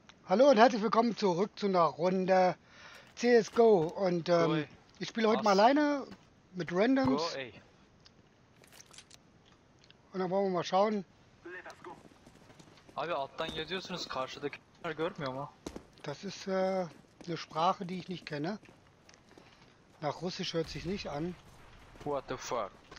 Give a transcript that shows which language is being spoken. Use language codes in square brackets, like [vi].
[de] Hallo und herzlich willkommen zurück zu einer Runde CSGO. Und Goi, ich spiele heute mal was? alleine mit Randoms. Goi. Und dann wollen wir mal schauen. [tr] Abi alttan geliyorsunuz, karşıdakiler görmüyor mu? [de] Das ist eine Sprache, die ich nicht kenne. Nach Russisch hört sich nicht an. [en] What the fuck?